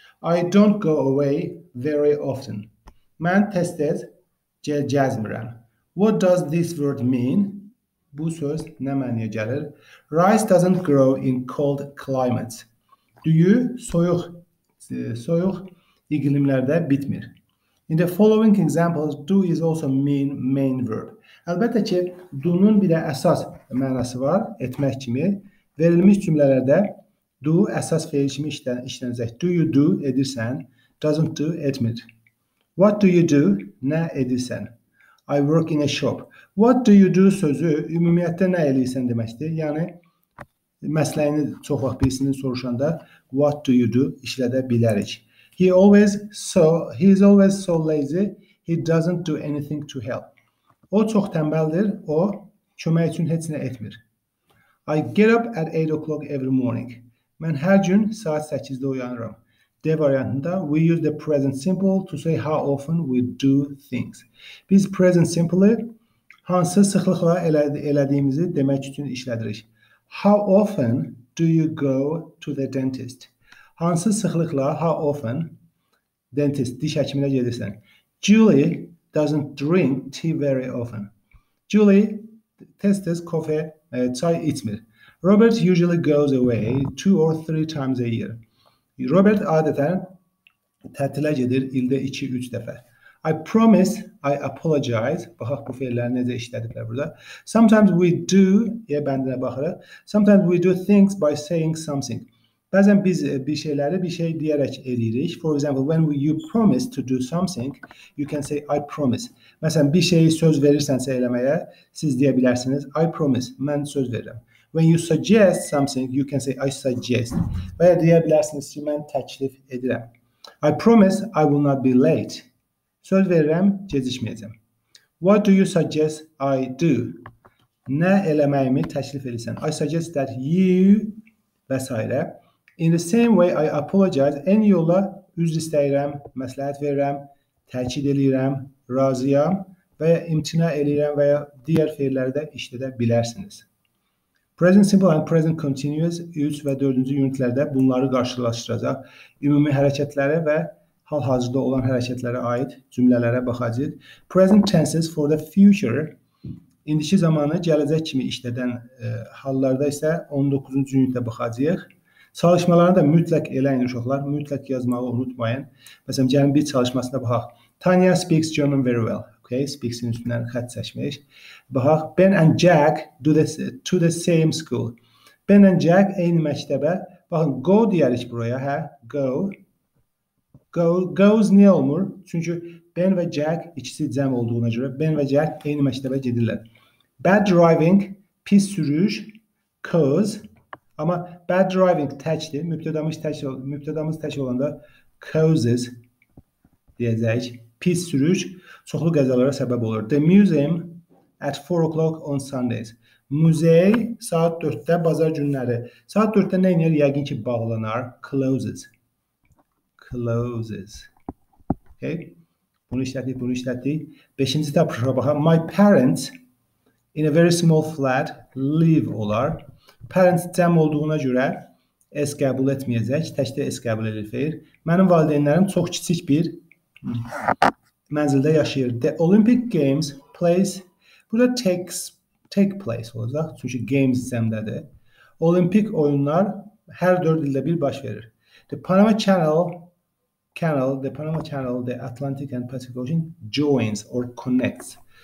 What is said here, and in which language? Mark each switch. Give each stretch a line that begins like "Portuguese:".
English: I don't go away very often.
Azerbaijani: Mən tez-tez gəzmirəm.
English: What does this word mean?
Azerbaijani: Bu söz nə mənəyə gəlir?
English: Rice doesn't grow in cold climates.
Azerbaijani: Düyü soyuq iqlimlərdə bitmir.
English: In the following examples, do is also main verb.
Azerbaijani: Əlbəttə ki, do-nun bir də əsas mənası var, etmək kimi. Verilmiş cümlələrdə do əsas fəil kimi işlənəcək.
English: Do you do edirsən, doesn't do etmir. What do you do,
Azerbaijani: nə edirsən?
English: I work in a shop. What do you do
Azerbaijani: sözü ümumiyyətlə nə edirsən deməkdir. Yəni, məsləyini çox vaxt birisini soruşanda
English: what do you do
Azerbaijani: işlədə bilərik.
English: He is always so lazy. He doesn't do anything to help.
Azerbaijani: O çox tənbəldir. O kömək üçün heç nə etmir.
English: I get up at 8 o'clock every morning.
Azerbaijani: Mən hər gün saat 8-də uyanıram.
English: D variantında we use the present simple to say how often we do things.
Azerbaijani: Biz present simple-ı hansı sıxlıqla elədiyimizi demək üçün işlədirik.
English: How often do you go to the dentist?
Azerbaijani: Hansı sıxlıqla, how often dentist, diş həkiminə gedirsən?
English: Julie doesn't drink tea very often.
Azerbaijani: Julie tez-tez kofe, çay içmir.
English: Robert usually goes away 2 or 3 times a year.
Azerbaijani: Robert adətən tətilə gedir ildə 2-3 dəfə.
English: I promise, I apologize.
Azerbaijani: Baxaq, bu fiilləri necə işlədiblər burada.
English: Sometimes we do,
Azerbaijani: yə bəndinə baxırıq.
English: Sometimes we do things by saying something.
Azerbaijani: Bəzən biz bir şeyləri bir şey deyərək edirik.
English: For example, when you promise to do something, you can say, I promise.
Azerbaijani: Məsələn, bir şeyi söz verirsənsə eləməyə, siz deyə bilərsiniz,
English: I promise,
Azerbaijani: mən söz verirəm.
English: When you suggest something, you can say, I suggest.
Azerbaijani: Və ya deyə bilərsiniz ki, mən təklif edirəm.
English: I promise I will not be late.
Azerbaijani: Söz verirəm, gecikməyəcəm.
English: What do you suggest I do?
Azerbaijani: Nə eləməyimi təklif edirsən?
English: I suggest that you və s. In the same way, I apologize.
Azerbaijani: En yolla üzr istəyirəm, məsləhət verirəm, təkid edirəm, razıyam və ya imtina edirəm və ya digər fiilləri də işlədə bilərsiniz. Present simple and present continuous 3 və 4-cü ünitlərdə bunları qarşılaşdıracaq. Ümumi hərəkətləri və hal-hazırda olan hərəkətlərə aid cümlələrə baxacaq. Present tenses for the future, indiki zamanı gələcək kimi işlədən hallarda isə 19-cu ünitdə baxacaq. Çalışmalarını da mütləq eləyin uşaqlar, mütləq yazmağı unutmayın. Məsələn, gəlin bir çalışmasına baxaq.
English: Tanya speaks German very well. Okay,
Azerbaijani: speaks-in üstündən xətt seçmiş.
English: Baxaq, Ben and Jack do this to the same school.
Azerbaijani: Ben and Jack eyni məktəbə. Baxın, go deyərik buraya, hə? Go. Go, goes niyə olmur? Çünki Ben və Jack ikisi cəm olduğuna görə Ben və Jack eyni məktəbə gedirlər.
English: Bad driving,
Azerbaijani: pis sürüş,
English: cause.
Azerbaijani: Amma bad driving təkdir. Mübtədamız tək olanda causes deyəcək. Pis sürüş çoxlu qəzalara səbəb olur.
English: The museum at 4 o'clock on Sundays.
Azerbaijani: Muzey saat 4-də bazar günləri. Saat 4-də nə edir? Yəqin ki, bağlanar. Closes. Closes. Okay. Bunu işlətdik. 5-ci tapışa baxaq.
English: My parents in a very small flat live olar.
Azerbaijani: Parents cəm olduğuna görə S qəbul etməyəcək. Təkdə S qəbul edir fəir. Mənim valideynlərim çox kiçik bir mənzildə yaşayır.
English: The Olympic Games place.
Azerbaijani: Burada take place olacaq. Çünki games cəmdədir. Olimpik oyunlar hər 4 ildə bir baş verir.
English: The Panama Canal, the Atlantic and Pacific Ocean joins or connects.